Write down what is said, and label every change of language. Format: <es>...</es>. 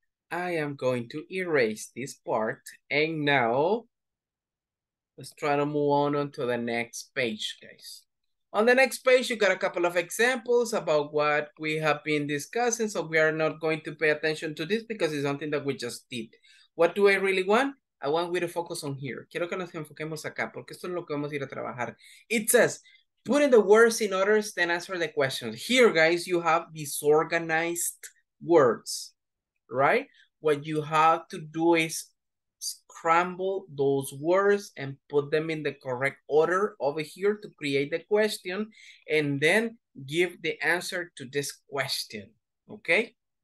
<en>I am going to erase this part, and now let's try to move on to the next page, guys. On the next page, you got a couple of examples about what we have been discussing, so we are not going to pay attention to this because it's something that we just did. What do I really want? I want we to focus on here.</en> <es>Quiero que nos enfoquemos acá, porque esto es lo que vamos a ir a trabajar.</es> <en>It says, put in the words in orders, then answer the questions. Here, guys, you have disorganized words. right? What you have to do is scramble those words and put them in the correct order over here to create the question, and then give the answer to this question, okay?</en>